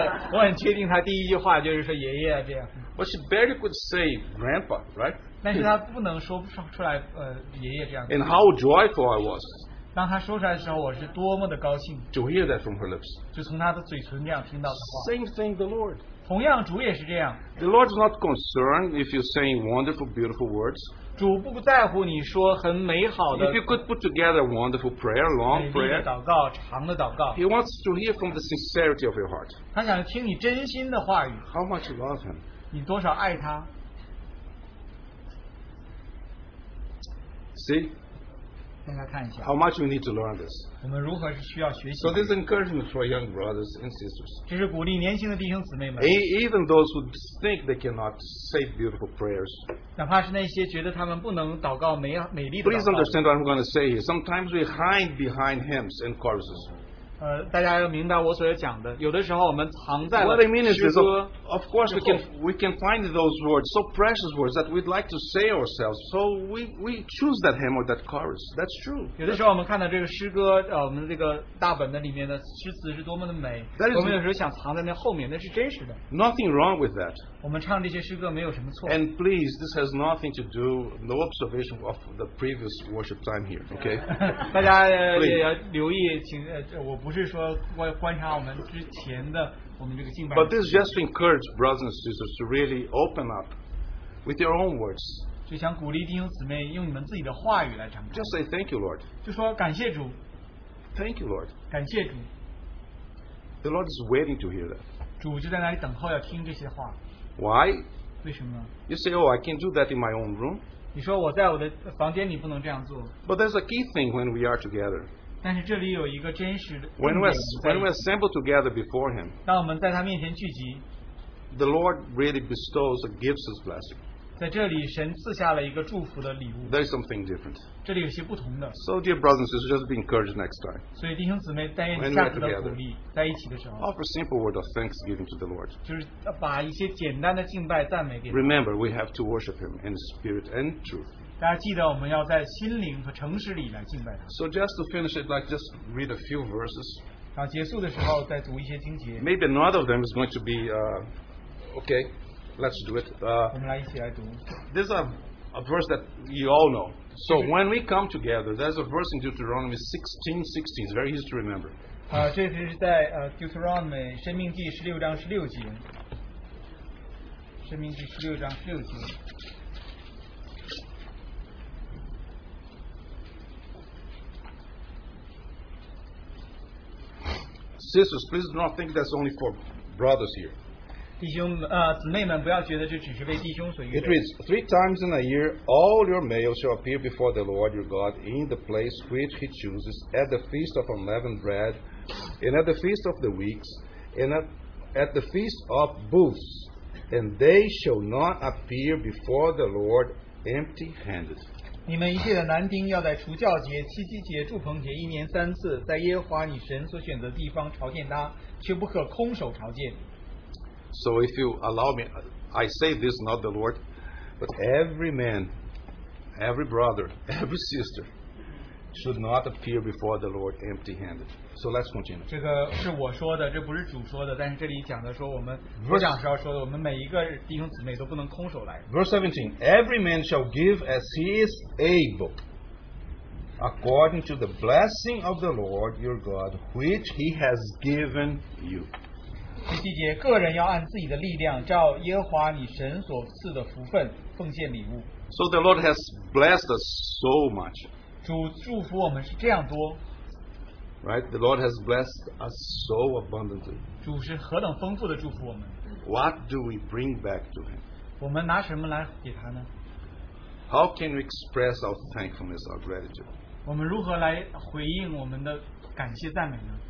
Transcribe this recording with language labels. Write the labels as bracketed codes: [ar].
[zh] 我很确定他第一句话就是说爷爷这样。 [en] But she barely could say grandpa, right? [zh] 但是他不能说不出来爷爷这样。 [en] And how joyful I was. [zh] 当他说出来的时候，我是多么的高兴。 [en] To hear that from her lips. [zh] 就从他的嘴唇这样听到的话。 [en] Same thing, the Lord. [zh] 同样，主也是这样。 [en] The Lord is not concerned if you're saying wonderful, beautiful words. [zh] 主不在乎你说很美好的。 [en] If you could put together a wonderful prayer, long prayer, [zh] 美丽的祷告，长的祷告。 [en] He wants to hear from the sincerity of your heart. [zh] 他想听你真心的话语。 [en] How much you love him? [zh] 你多少爱他 [en] ？See. [zh] 现在看一下。 [en] How much you need to learn this? [zh] 我们如何是需要学习 [en] ？So this is encouragement for young brothers and sisters. [zh] 这是鼓励年轻的弟兄姊妹们。 [en] Even those who think they cannot say beautiful prayers. [zh] 哪怕是那些觉得他们不能祷告美丽的。 [en] Please understand what I'm going to say here. Sometimes we hide behind hymns and choruses. [zh] 大家要明白我所要讲的。有的时候我们藏在了 [en] What I mean is this, of course we can find those words, so precious words that we'd like to say ourselves. So we choose that hymn or that chorus. That's true. [zh] 有的时候我们看到这个诗歌，我们这个大本的里面的诗词是多么的美。 [en] That is, [zh] 我们有时候想藏在那后面，那是真实的。 [en] Nothing wrong with that. [zh] 我们唱这些诗歌没有什么错。 [en] And please, this has nothing to do, no observation of the previous worship time here. Okay. [zh] 大家也要留意，请我。不是说观察我们之前的我们这个敬拜。 [en] But this is just to encourage brothers and sisters to really open up with your own words. [zh] 就想鼓励弟兄姊妹用你们自己的话语来唱。 [en] Just say thank you, Lord. [zh] 就说感谢主。 [en] Thank you, Lord. [zh] 感谢主。 [en] The Lord is waiting to hear that. [zh] 主就在那里等候要听这些话。 [en] Why? [zh] 为什么呢 [en] ？You say, "Oh, I can't do that in my own room." [zh] 你说我在我的房间里不能这样做。 [en] But there's a key thing when we are together. [zh] 但是这里有一个真实的。 [en] When we assemble together before Him, [zh] 当我们在他面前聚集 [en] ，the Lord really bestows and gives His blessing. [zh] 在这里，神赐下了一个祝福的礼物。 [en] There is something different. [zh] 这里有些不同的。 [en] So dear brothers and sisters, just be encouraged next time. [zh] 所以弟兄姊妹，但愿下次的鼓励，在一起的时候 [en] ，offer simple word of thanksgiving to the Lord. [zh] 就是把一些简单的敬拜赞美给。 [en] Remember, we have to worship Him in spirit and truth. [zh] 大家记得我们要在心灵和诚实里来敬拜他。 [en] So just to finish it, like just read a few verses. [zh] 然后结束的时候再读一些经节。 [en] Maybe another of them is going to be, okay, let's do it. [zh] 我们来一起来读。 [en] This is a verse that you all know. So when we come together, there's a verse in Deuteronomy 16:16. It's very easy to remember. [zh] 这是在Deuteronomy 申命记十六章十六节。申命记十六章十六节。 [en] Sisters, please do not think that's only for brothers here. [zh] 弟兄，姊妹们，不要觉得这只是为弟兄所预备。 [en] It reads, three times in a year, all your males shall appear before the Lord your God in the place which He chooses, at the feast of unleavened bread, and at the feast of the weeks, and at the feast of booths, and they shall not appear before the Lord empty-handed. [zh] 你们一切的男丁要在除教节、七七节、祝棚节一年三次，在耶和华你神所选择的地方朝见他，却不可空手朝见。 [en] So if you allow me, I say this not the Lord, but every man, every brother, every sister should not appear before the Lord empty-handed. So let's continue. [zh] 这个是我说的，这不是主说的，但是这里讲的说我们不讲时候说的，我们每一个弟兄姊妹都不能空手来。 [en] Verse 17, every man shall give as he is able, according to the blessing of the Lord your God, which he has given you. [zh] 第七节，个人要按自己的力量，照耶和华你神所赐的福分奉献礼物。 [en] So the Lord has blessed us so much. [zh] 主祝福我们是这样多。 [en] Right, the Lord has blessed us so abundantly. [zh] 主是何等丰富的祝福我们。 [en] What do we bring back to Him? [zh] 我们拿什么来给他呢？ [en] How can we express our thankfulness, our gratitude? [zh] 我们如何来回应我们的感谢赞美呢？